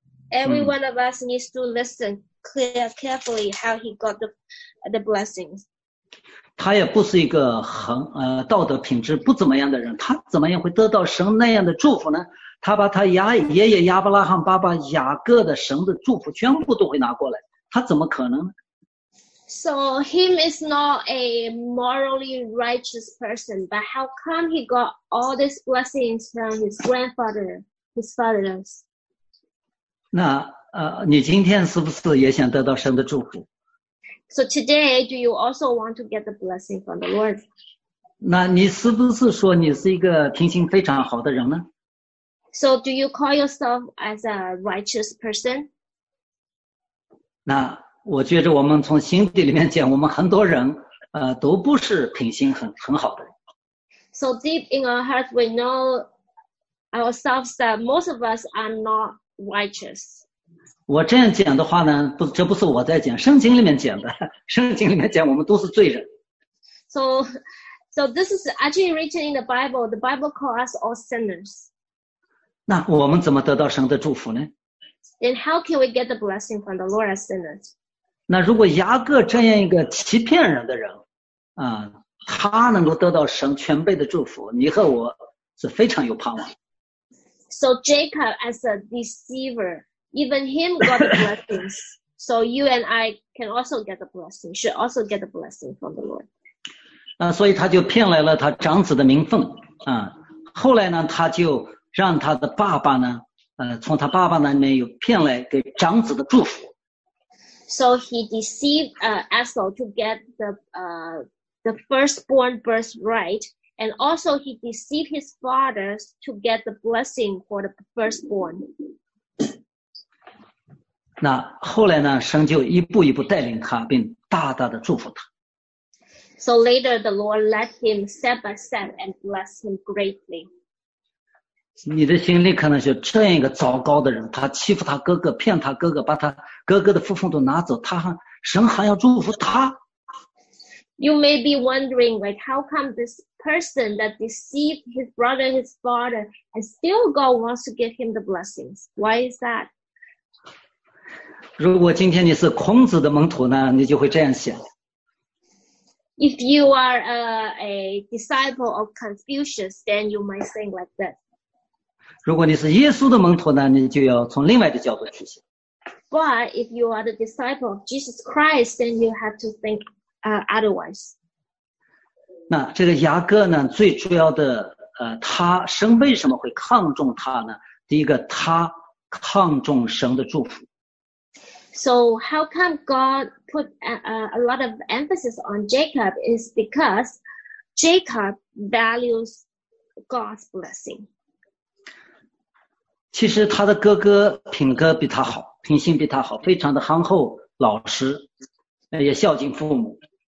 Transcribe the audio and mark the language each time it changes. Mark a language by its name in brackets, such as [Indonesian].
[English] Every one of us needs to listen carefully how he got the blessings. [Chinese] 他也不是一个道德品质不怎么样的人，他怎么样会得到神那样的祝福呢？他把他爷爷亚伯拉罕、爸爸雅各的神的祝福全部都会拿过来，他怎么可能呢？ [English] So him is not a morally righteous person, but how come he got all these blessings from his grandfather, his fathers? [Chinese] 那你今天是不是也想得到神的祝福？ [English] So today, do you also want to get the blessing from the Lord? [Chinese] 那你是不是说你是一个品行非常好的人呢？ [English] So do you call yourself as a righteous person? [Chinese] 那我觉得我们从心底里面讲，我们很多人都不是品行很好的。 [English] So deep in our hearts, we know ourselves that most of us are not righteous. [Chinese] 我这样讲的话呢，这不是我在讲，圣经里面讲的。圣经里面讲，我们都是罪人。 [English] So this is actually written in the Bible. The Bible calls us all sinners. [Chinese] 那我们怎么得到神的祝福呢？ [English] Then how can we get the blessing from the Lord as sinners? [Chinese] 那如果雅各这样一个欺骗人的人，他能够得到神全辈的祝福，你和我是非常有盼望。 [English] So Jacob as a deceiver, even him got the blessings. So you and I can also get the blessing, should also get the blessing from the Lord. [Chinese] 所以他就骗来了他长子的名分，后来呢，他就让他的爸爸呢，从他爸爸那边又骗来给长子的祝福。 [English] So he deceived Esau to get the firstborn birthright, and also he deceived his fathers to get the blessing for the firstborn. [Chinese] 那后来呢，神就一步一步带领他，并大大的祝福他。 [English] So later the Lord led him step by step and blessed him greatly. [Chinese] 你的心里可能就这样一个糟糕的人，他欺负他哥哥，骗他哥哥，把他哥哥的父母都拿走，神还要祝福他。 [English] You may be wondering, like, how come this person that deceived his brother, his father, and still God wants to give him the blessings? Why is that? [Chinese] 如果今天你是孔子的门徒呢，你就会这样想。 [English] If you are a disciple of Confucius, then you might think like this. [Chinese] 如果你是耶稣的门徒呢，你就要从另外的角度去想。 [English] But if you are the disciple of Jesus Christ, then you have to think otherwise. [Chinese] 那这个雅各呢，最主要的他神为什么会看重他呢？第一个，他看重神的祝福。 [English] So how come God put a lot of emphasis on Jacob is because Jacob values God's blessing. [Chinese] 其实他的哥哥品格比他好，品性比他好，非常的憨厚老实，也孝敬父母。